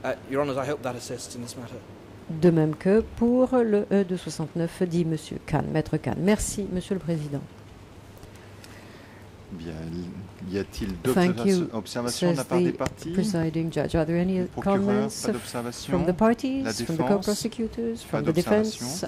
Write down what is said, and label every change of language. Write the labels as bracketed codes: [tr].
[en] Your Honours, I hope that assists in this matter. [fr] De même que pour le E269, dit Monsieur Kahn, Maître Kahn. Merci, Monsieur le Président. Bien, y a-t-il d'autres observations de la part des parties? [en] Judge. Are there any comments from the parties, from the co-prosecutors, from the defense?